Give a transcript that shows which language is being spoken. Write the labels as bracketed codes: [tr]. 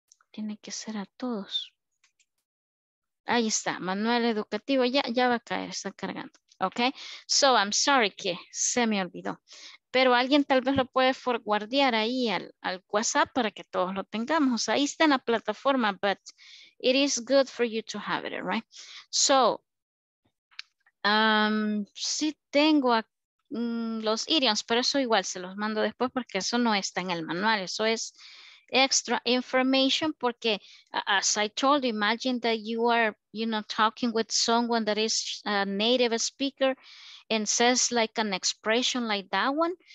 [es] Tiene que ser a todos. Ahí está, manual educativo, ya va a caer, está cargando. [en] Ok, so I'm sorry [es] que se me olvidó. Pero alguien tal vez lo puede forwardear ahí al WhatsApp para que todos lo tengamos. Ahí está en la plataforma, [en] but it is good for you to have it, right? So... [es] sí tengo los idioms, pero eso igual se los mando después porque eso no está en el manual. Eso es [en] extra information porque, as I told you, imagine that you are, you know, talking with someone that is a native speaker and says like an expression like that one.